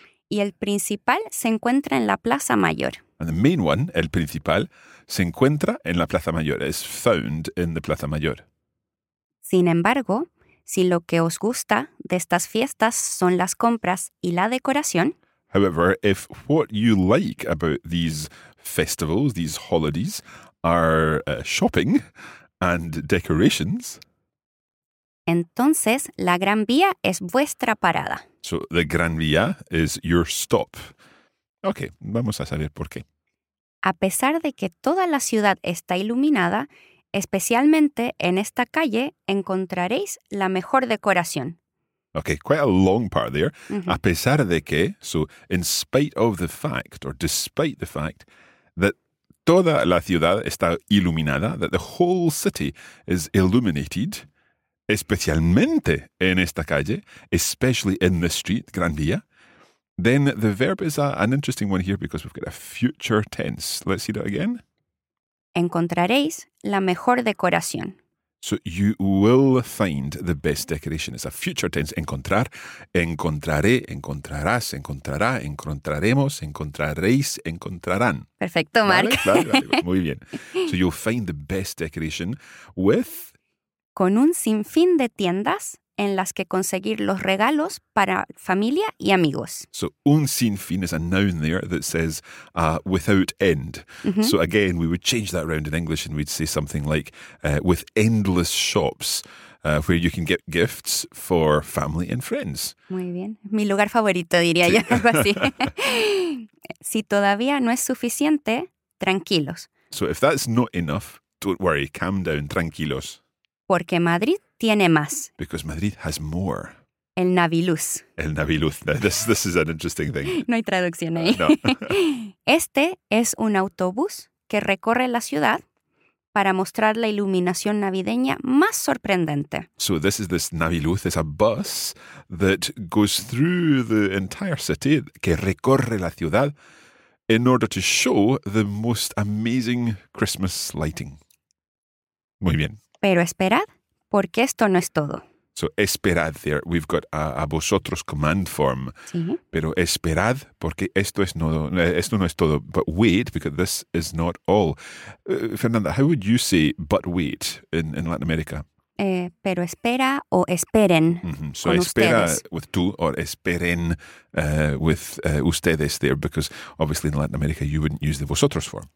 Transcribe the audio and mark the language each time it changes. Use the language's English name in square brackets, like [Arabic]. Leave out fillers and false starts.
[Spanish] Y el principal se encuentra en la Plaza Mayor. [English] And the main one, [Spanish] el principal, se encuentra en la Plaza Mayor. [English] It's found in the Plaza Mayor. [Spanish] Sin embargo, si lo que os gusta de estas fiestas son las compras y la decoración. [English] However, if what you like about these festivals, these holidays, are shopping and decorations. [Spanish] Entonces, la Gran Vía es vuestra parada. [English] So, the Gran Vía is your stop. [Spanish] Okay, vamos a saber por qué. A pesar de que toda la ciudad está iluminada, especialmente en esta calle, encontraréis la mejor decoración. [English] Okay, quite a long part there. Uh-huh. [Spanish] A pesar de que, [English] so in spite of the fact, or despite the fact, that [Spanish] toda la ciudad está iluminada, [English] that the whole city is illuminated, [Spanish] especialmente en esta calle, [English] especially in the street, Gran Vía, then the verb is an interesting one here because we've got a future tense. Let's see that again. [Spanish] Encontraréis la mejor decoración. [English] So you will find the best decoration. It's a future tense. [Spanish] Encontrar, encontraré, encontrarás, encontrará, encontraremos, encontraréis, encontrarán. Perfecto, Mark. ¿Vale? Vale, vale. Muy bien. [English] So you'll find the best decoration with... [Spanish] Con un sinfín de tiendas en las que conseguir los regalos para familia y amigos. [English] So un sinfín is a noun there that says without end. Mm-hmm. So again, we would change that around in English and we'd say something like with endless shops where you can get gifts for family and friends. [Spanish] Muy bien. Mi lugar favorito, diría sí. Yo, algo así. Si todavía no es suficiente, tranquilos. [English] So if that's not enough, don't worry, calm down, tranquilos. [Spanish] Porque Madrid tiene más. [English] Because Madrid has more. [Spanish] El Naviluz. El Naviluz. [English] This is an interesting thing. [Spanish] No hay traducción ahí. No. Este es un autobús que recorre la ciudad para mostrar la iluminación navideña más sorprendente. [English] So this is this Naviluz. It's a bus that goes through the entire city, [Spanish] que recorre la ciudad, [English] in order to show the most amazing Christmas lighting. [Spanish] Muy bien. Pero esperad, porque esto no es todo. [English] So, esperad there. We've got a vosotros command form. [Spanish] Sí. Pero esperad, porque esto no es todo. [English] But wait, because this is not all. Fernanda, how would you say but wait in Latin America? [Spanish] Pero espera o esperen. [English] Mm-hmm. So espera [Spanish] ustedes. [English] With tú or esperen with ustedes there, because obviously in Latin America you wouldn't use the vosotros form.